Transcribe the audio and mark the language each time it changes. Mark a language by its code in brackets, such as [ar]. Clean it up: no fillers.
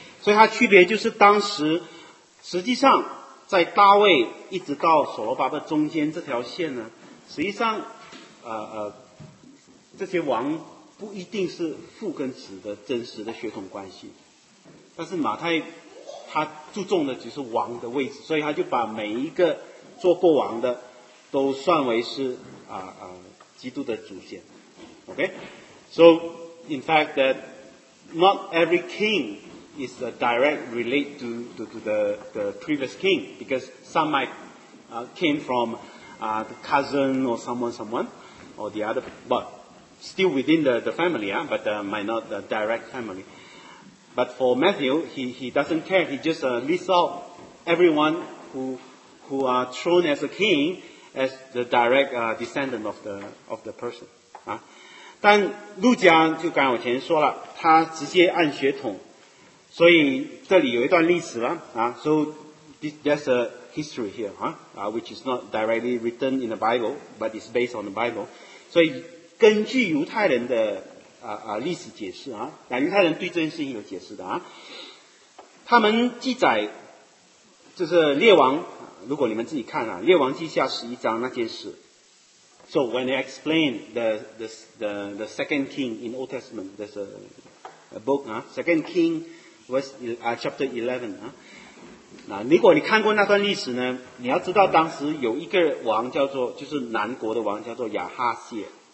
[zh] 所以他区别就是当时实际上在大卫一直到所罗巴伯中间这条线呢，实际上这些王不一定是父跟子的真实的血统关系，但是马太他注重的就是王的位置，所以他就把每一个做过王的都算为是啊啊基督的祖先。 [en] Okay? So, in fact, that not every king is a direct relate to the previous king, because some might came from the cousin or someone, or the other, but still within the family, yeah, but might not the direct family. But for Matthew, he doesn't care, he just lists out everyone who are thrown as a king as the direct descendant of the person. [zh] 但路加就刚我前说了，他直接按血统，所以这里有一段历史了啊。 [en] So there's a history here, which is not directly written in the Bible, but it's based on the Bible. [zh] 所以根据犹太人的历史解释啊，犹太人对这件事情有解释的啊。他们记载就是列王，如果你们自己看啊，列王记下十一章那件事。 [en] So when they explain the second king in Old Testament, there's a book, second king, chapter 11. [zh] 如果你看过那段历史呢，你要知道当时有一个王叫做，就是南国的王叫做亚哈谢。